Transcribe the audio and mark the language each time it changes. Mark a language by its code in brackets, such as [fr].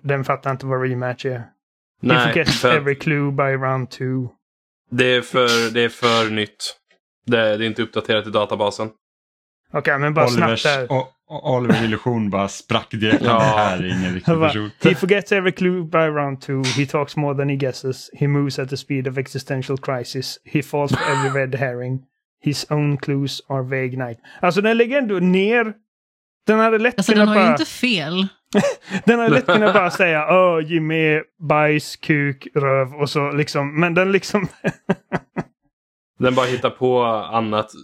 [sv] Den fattar inte vad rematch är. Nej, [en] if you get every clue by round 2. [sv] Det är för nytt. Det är inte uppdaterat i databasen. Okej, men bara snabbt där. Oliver Illusion bara sprack direkt. Ja. Det här är ingen riktig person. [en] He forgets every clue by round 2. He talks more than he guesses. He moves at the speed of existential crisis. He falls for every red herring. His own clues are vague night. [sv] Alltså, den lägger ändå ner... Den hade lätt alltså, den har ju inte fel. Den hade lätt kunnat bara säga Jimmy, bajs, kuk, röv och så liksom. Men den liksom... den bara hittar på annat.